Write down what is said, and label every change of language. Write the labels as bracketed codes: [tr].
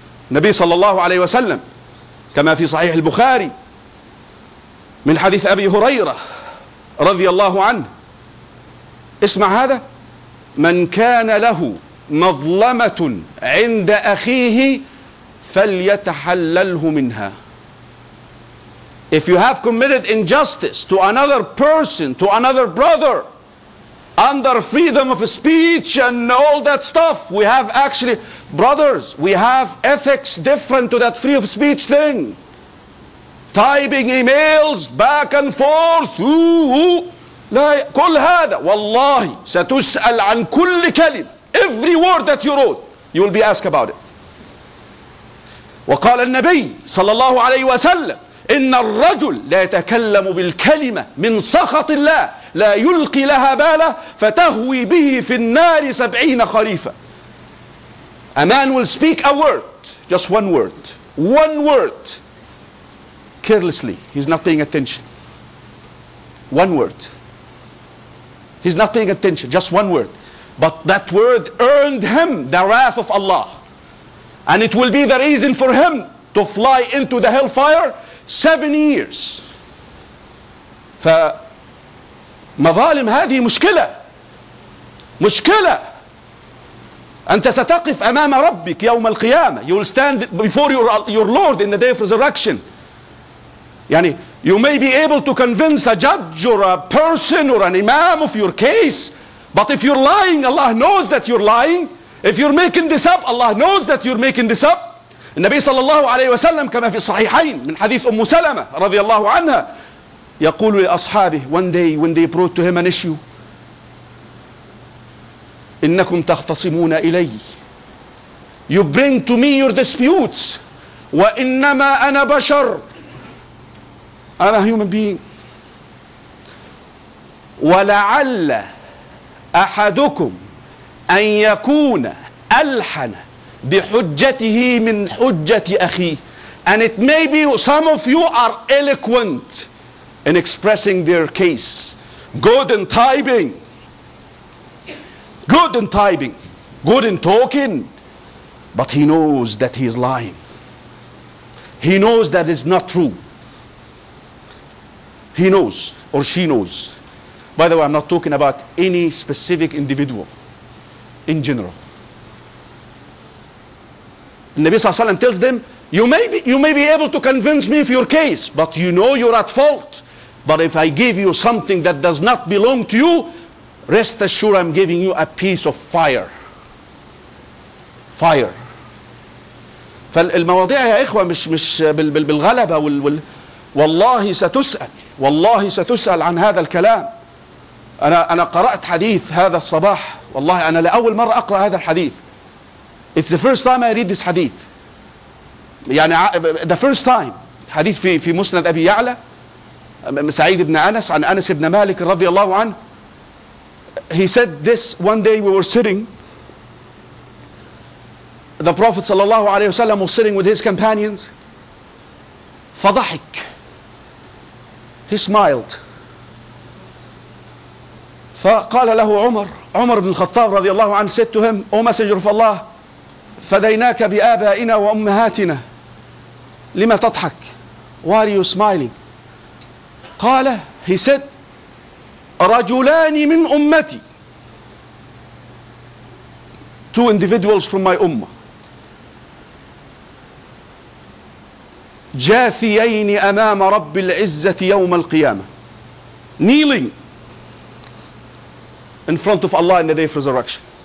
[ar] Nabi sallallahu alayhi wa sallam, كما في صحيح البخاري, من حديث أبي هريرة رضي الله عنه, اسمع هذا. من كان له مظلمة عند أخيه فليتحلله منها. [en] If you have committed injustice to another person, to another brother, under freedom of speech and all that stuff, we have actually, brothers, we have ethics different to that free of speech thing. Typing emails back and forth, ooh, ooh. [ar] لا كل هذا والله ستسأل عن كل كلمة. [en] Every word that you wrote, you will be asked about it. [ar] وقال النبي صلى الله عليه وسلم, إن الرجل لا يتكلم بالكلمة من سخط الله لا يلقي لها بالة فتهوي به في النار 70 خريفة. [en] A man will speak a word, just one word, one word, carelessly. He's not paying attention. One word. He's not paying attention, just one word. But that word earned him the wrath of Allah. And it will be the reason for him to fly into the hellfire 7 years. [ar] فمظالم هذه مشكلة. مشكلة. أنت ستقف أمام ربك يوم القيامة. [en] You will stand before your Lord in the day of resurrection. يعني you may be able to convince a judge or a person or an imam of your case, but if you're lying, Allah knows that you're lying. If you're making this up, Allah knows that you're making this up. [ar] النبي صلى الله عليه وسلم كما في الصحيحين من حديث أم سلمة رضي الله عنها يقول لأصحابه, [en] one day when they brought to him an issue, [ar] إنكم تختصمون إلي. [en] You bring to me your disputes. [ar] وإنما أنا بشر. [en] I'm a human being. [ar] ولعل أحدكم أن يكون ألحن بحجته من حجة أخيه. [en] And it may be some of you are eloquent in expressing their case. Good in typing. Good in typing, good in talking, but he knows that he is lying. He knows that is not true. He knows, or she knows. By the way, I'm not talking about any specific individual. In general, Nabi Sallam tells them, "You may be able to convince me of your case, but you know you're at fault. But if I give you something that does not belong to you, rest assured, I'm giving you a piece of fire. [ar] Fire. فالمواضيع يا إخوة مش بالغلبة والله ستسأل, والله ستسأل عن هذا الكلام. أنا قرأت حديث هذا الصباح, والله أنا لأول مرة أقرأ هذا الحديث. [en] It's the first time I read this hadith. يعني the first time. [ar] حديث في مسند أبي يعلى سعيد بن أنس عن أنس بن مالك رضي الله عنه. [en] He said this, one day we were sitting, the Prophet sallallahu alayhi wa sallam was sitting with his companions. فضحك, he smiled. [ar] فقال له عمر, عمر بن الخطاب رضي الله عنه, [en] said to him, O Messenger of Allah, [ar] فديناك بآبائنا وأمهاتنا, لما تضحك, [en] why are you smiling? قال, he said, [ar] رجلان من أمتي, [en] two individuals from my ummah, [ar] جاثيين أمام رب العزة يوم القيامة, [en] kneeling in front of Allah in the day of resurrection.